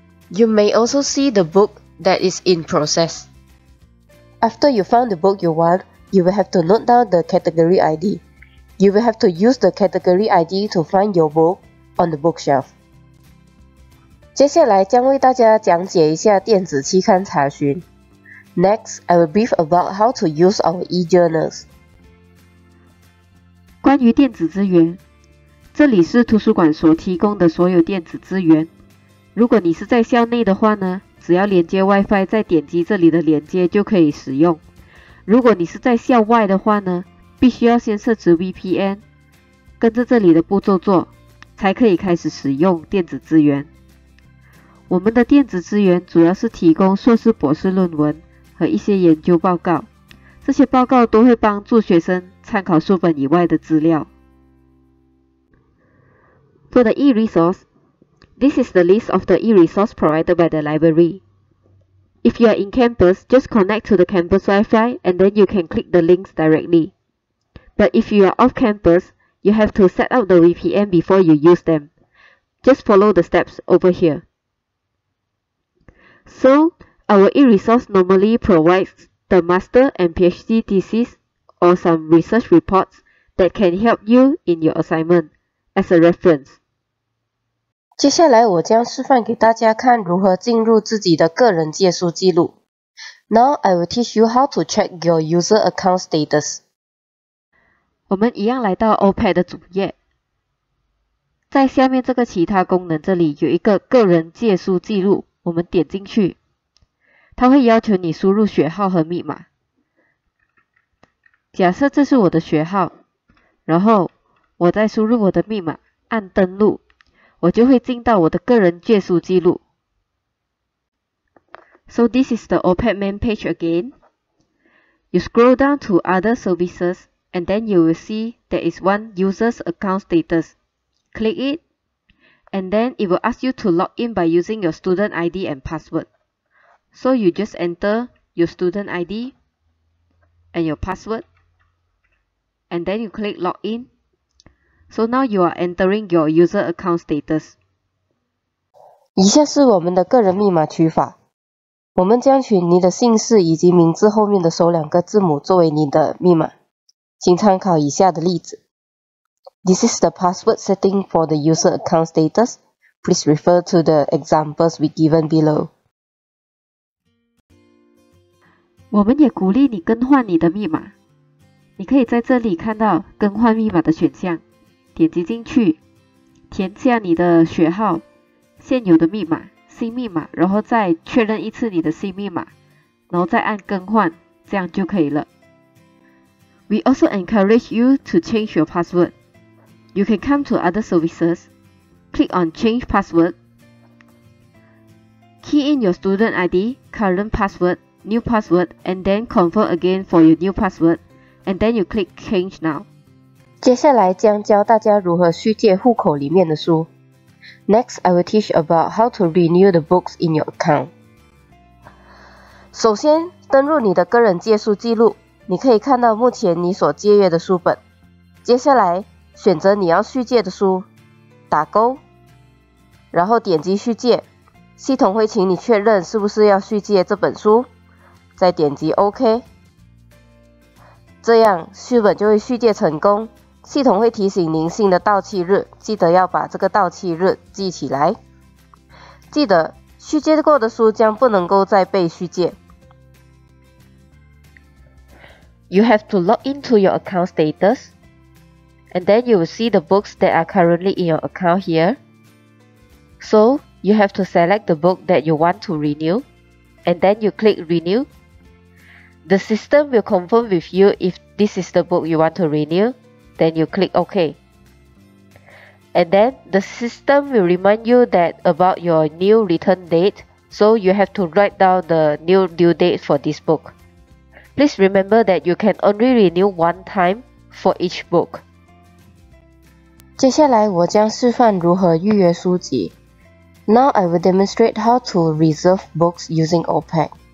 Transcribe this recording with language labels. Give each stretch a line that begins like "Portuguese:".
English: You may also see the book that is in process. After you found the book you want, you will have to note down the category ID. You will have to use the category ID to find your book on the bookshelf.
Chinese: 接下来将为大家讲解一下电子期刊查询。
English: Next, I will brief about how to use our e-journals.
Chinese: 关于电子资源，这里是图书馆所提供的所有电子资源。如果你是在校内的话呢，只要连接 Wi-Fi 再点击这里的连接就可以使用。如果你是在校外的话呢，必须要先设置 VPN， 跟着这里的步骤做，才可以开始使用电子资源。我们的电子资源主要是提供硕士博士论文和一些研究报告，这些报告都会帮助学生参考书本以外的资料。
English: For the e-resource, this is the list of the e-resource provided by the library. If you are in campus, just connect to the campus Wi-Fi and then you can click the links directly. But if you are off campus, you have to set up the VPN before you use them. Just follow the steps over here. So, our e-resource normally provides the master and PhD thesis or some research reports that can help you in your assignment as a reference.
Chinese: 接下来我将示范给大家看如何进入自己的个人借书记录。
English: Now I will teach you how to check your user account status.
Chinese: 我们一样来到 OPAD 的主页。在下面这个其他功能这里有一个个人借书记录，我们点进去。它会要求你输入学号和密码。假设这是我的学号，然后我再输入我的密码，按登录，我就会进到我的个人借书记录。
English: So this is the OPAD main page again. You scroll down to other services and then you will see there is one user's account status. Click it and then it will ask you to log in by using your student ID and password. So you just enter your student ID and your password and then you click log in. So now you are entering your user account status.
Chinese: 以下是我们的个人密码取法。我们将取你的姓氏以及名字后面的首两个字母作为你的密码，请参考以下的例子。
English: This is the password setting for the user account status. Please refer to the examples we given below.
Chinese: 我们也鼓励你更换你的密码。你可以在这里看到更换密码的选项，点击进去，填下你的学号、现有的密码。新密码，然后再确认一次你的新密码，然后再按更换，这样就可以了。
English: We also encourage you to change your password. You can come to other services, click on Change Password, key in your student ID, current password, new password, and then confirm again for your new password, and then you click Change Now.
Chinese: 接下来将教大家如何续借户口里面的书。
English: Next, I will teach about how to renew the books in your account.
Chinese: 首先，登入你的个人借书记录，你可以看到目前你所借阅的书本。接下来，选择你要续借的书，打勾，然后点击续借。系统会请你确认是不是要续借这本书，再点击 OK。这样，书本就会续借成功。系统会提醒您新的到期日，记得要把这个到期日记起来。记得，续借过的书将不能够再被续借。
English: You have to log into your account status, and then you will see the books that are currently in your account here. So, you have to select the book that you want to renew, and then you click Renew. The system will confirm with you if this is the book you want to renew. Then you click OK. And then the system will remind you that about your new return date, so you have to write down the new due date for this book. Please remember that you can only renew one time for each book.
Chinese: 接下来我将示范如何预约书籍。
English: Now I will demonstrate how to reserve books using OPAD.